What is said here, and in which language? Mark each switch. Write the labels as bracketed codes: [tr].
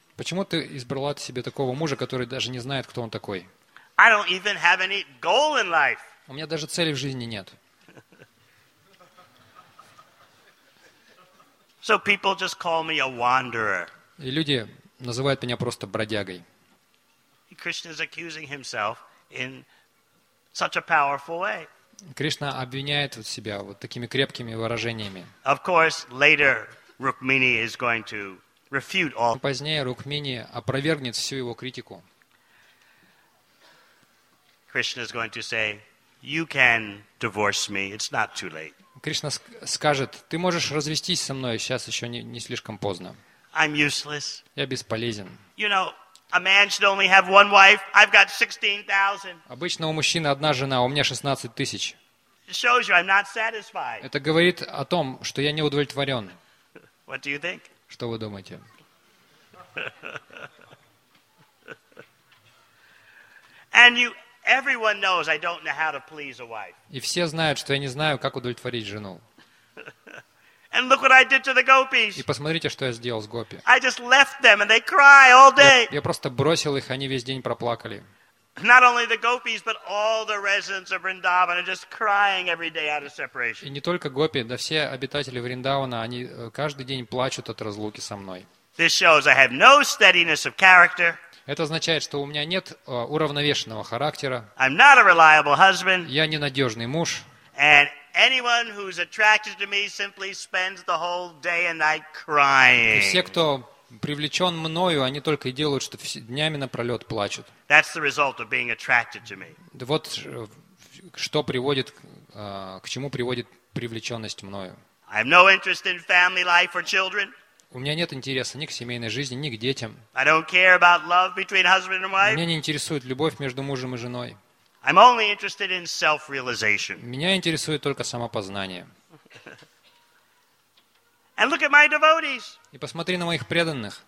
[ru] Почему ты избрала себе такого мужа, который даже не знает, кто он такой? [en] I don't even have any goal in life. [ru] У меня даже цели в жизни нет. [en] So people just call me a wanderer. [ru] И люди называют меня просто бродягой. [en] Krishna is accusing himself in such a powerful way. [ru] Кришна обвиняет себя вот такими крепкими выражениями. [en] Of course, later Rukmini is going to refute all. [ru] Позднее Рукмини опровергнет всю его критику. [en] Krishna is going to say, "You can divorce me. It's not too late." [ru] Кришна скажет: "Ты можешь развестись со мной. Сейчас еще не слишком поздно." [en] I'm useless. [ru] Я бесполезен. [en] You know, a man should only have one wife. I've got 16,000. [ru] Обычно у мужчины одна жена, у меня 16,000. [en] It shows you I'm not satisfied. [ru] Это говорит о том, что я не удовлетворен. [en] What do you think? [ru] Что вы думаете? [en] And you, everyone knows I don't know how to please a wife. [ru] И все знают, что я не знаю, как удовлетворить жену. [en] And look what I did to the gopis. [ru] И посмотрите, что я сделал с гопи. [en] I just left them and they cry all day. [ru] Я просто бросил их, они весь день проплакали. [en] Not only the gopis, but all the residents of Vrindavan are just crying every day out of separation. [ru] И не только гопи, да все обитатели Вриндавана, они каждый день плачут от разлуки со мной. [en] This shows I have no steadiness of character. [ru] Это означает, что у меня нет уравновешенного характера. [en] I'm not a reliable husband. [ru] Я ненадежный муж. [en] And anyone who's attracted to me simply spends the whole day and night crying. [ru] Все, кто привлечен мною, они только и делают, что днями напролет плачут. [en] That's the result of being attracted to me. [ru] Вот что приводит, к чему приводит привлеченность мною. [en] I have no interest in family life or children. [ru] У меня нет интереса ни к семейной жизни, ни к детям. [en] I don't care about love between husband and wife. [ru] Меня не интересует любовь между мужем и женой. [en] I'm only interested in self-realization. [ru] Меня интересует только самопознание. [en] And look at my devotees. [ru] И посмотри на моих преданных.